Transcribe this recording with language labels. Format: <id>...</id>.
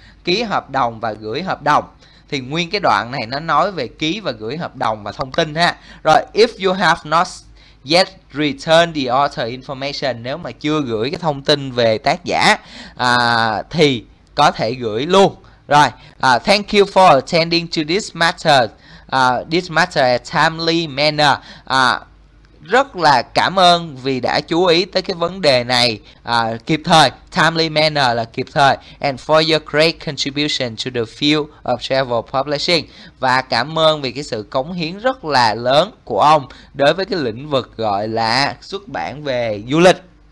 <vi>Ký hợp đồng và gửi hợp đồng. Thì nguyên cái đoạn này nó nói về ký và gửi hợp đồng và thông tin ha. Rồi,</vi> <en>if you have not yet return the author information,</en> <vi>nếu mà chưa gửi cái thông tin về tác giả thì có thể gửi luôn.</vi> <en>Rồi, thank you for attending to this matter in a timely manner.</en> <vi>Rất là cảm ơn vì đã chú ý tới cái vấn đề này kịp thời. Timely manner là kịp thời.</vi> <en>And for your great contribution to the field of travel publishing.</en> <vi>Và cảm ơn vì cái sự cống hiến rất là lớn của ông đối với cái lĩnh vực gọi là xuất bản về du lịch.</vi>